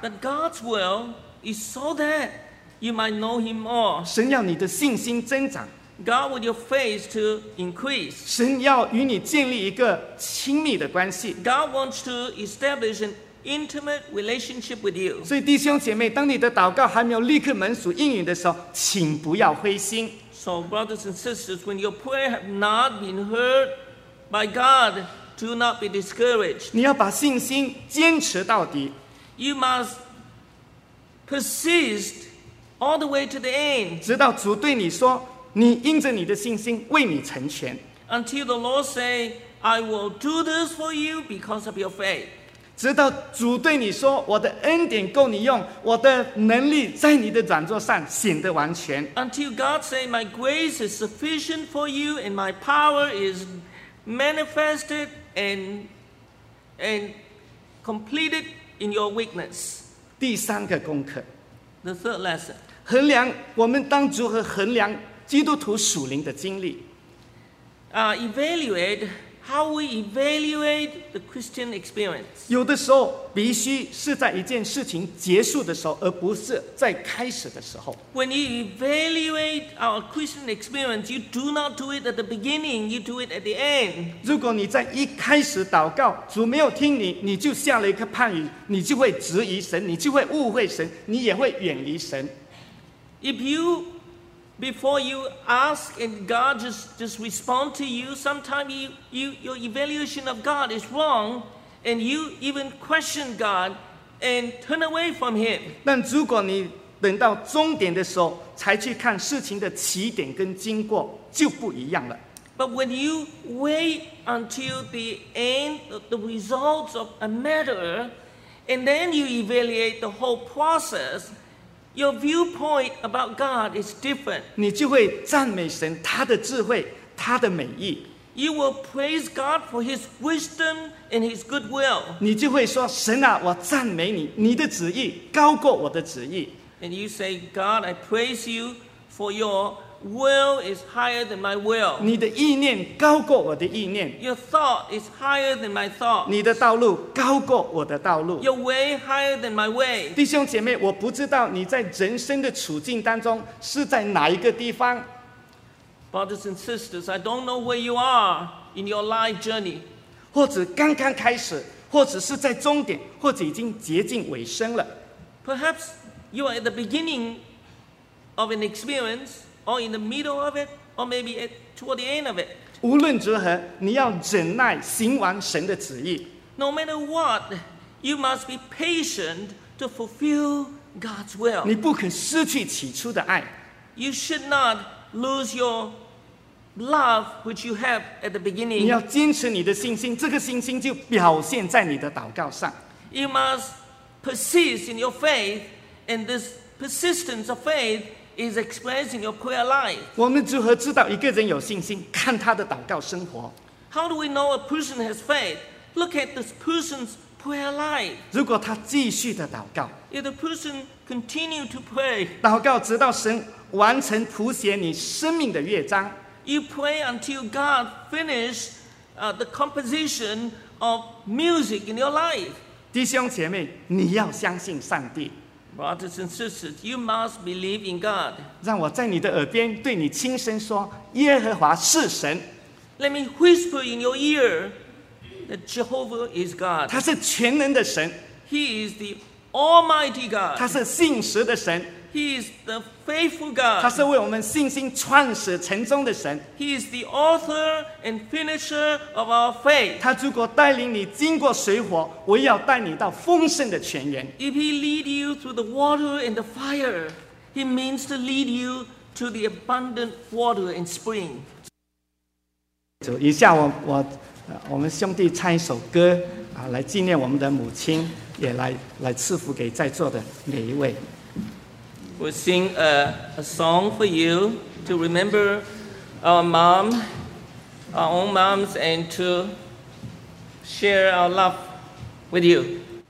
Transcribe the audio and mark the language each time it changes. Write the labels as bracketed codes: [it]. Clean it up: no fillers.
[en] But God's will is so that you might know Him more. [zh] 神要你的信心增长。 [en] God will your faith to increase. [zh] 神要与你建立一个亲密的关系。 [en] God wants to establish an intimate relationship with you. [zh] 所以弟兄姐妹，当你的祷告还没有立刻蒙主应允的时候，请不要灰心。 [en] So brothers and sisters, when your prayer has not been heard by God, do not be discouraged. [zh] 你要把信心坚持到底。 [en] You must persist all the way to the end. [zh] 直到主对你说，你因着你的信心为你成全。 [en] Until the Lord say, I will do this for you because of your faith. [zh] 直到主对你说，我的恩典够你用，我的能力在你的软弱上显得完全。 [en] Until God say, my grace is sufficient for you and my power is manifested and completed in your weakness. [zh] 第三个功课。 [en] The third lesson. [zh] 衡量我们当如何衡量基督徒属灵的经历。 [en] Evaluate how we evaluate the Christian experience. [zh] 有的时候必须是在一件事情结束的时候，而不是在开始的时候。 [en] When you evaluate our Christian experience, you do not do it at the beginning, you do it at the end. [zh] 如果你在一开始祷告，主没有听你，你就下了一颗判语，你就会质疑神，你就会误会神，你也会远离神。 [en] Before you ask and God just respond to you, sometimes your evaluation of God is wrong, and you even question God and turn away from Him. [zh] 但如果你等到终点的时候才去看事情的起点跟经过，就不一样了。 [en] But when you wait until the end of the results of a matter, and then you evaluate the whole process, your viewpoint about God is different. [zh] 你就会赞美神，他的智慧，他的美意。 [en] You will praise God for His wisdom and His good will. [zh] 你就会说，神啊，我赞美你，你的旨意高过我的旨意。 [en] And you say, God, I praise you for your will is higher than my will. [zh] 你的意念高过我的意念。 [en] Your thought is higher than my thought. [zh] 你的道路高过我的道路。 [en] Your way higher than my way. [zh] 弟兄姐妹，我不知道你在人生的处境当中是在哪一个地方。 [en] Brothers and sisters, I don't know where you are in your life journey. [zh] 或者刚刚开始，或者是在终点，或者已经接近尾声了。 [en] Perhaps you are at the beginning of an experience. Or in the middle of it, or maybe at toward the end of it. [zh] 无论如何，你要忍耐行完神的旨意。 [en] No matter what, you must be patient to fulfill God's will. [zh] 你不肯失去起初的爱。 [en] You should not lose your love which you have at the beginning. [zh] 你要坚持你的信心，这个信心就表现在你的祷告上。 [en] You must persist in your faith, and this persistence of faith. Is expressed in your prayer life. [zh] 我们如何知道一个人有信心？看他的祷告生活。 [en] How do we know a person has faith? Look at this person's prayer life. [zh] 如果他继续的祷告。 [en] If the person continue to pray. [zh] 祷告直到神完成谱写你生命的乐章。 [en] You pray until God finish, the composition of music in your life. [zh] 弟兄姐妹，你要相信上帝。 [en] Brothers and sisters, you must believe in God. [zh] 让我在你的耳边对你轻声说，耶和华是神。 [en] Let me whisper in your ear that Jehovah is God. [zh] 他是全能的神。 [en] He is the Almighty God. [zh] 他是信实的神。 [en] He is the faithful God. [zh] 他是为我们信心创始成终的神。 [en] He is the author and finisher of our faith. [zh] 他如果带领你经过水火，我要带你到丰盛的泉源。 [en] If he lead you through the water and the fire, he means to lead you to the abundant water and spring. [zh] 主，以下我们兄弟唱一首歌啊，来纪念我们的母亲，也来赐福给在座的每一位。 [en] We'll sing a song for you to remember our mom, our own moms, and to share our love with you.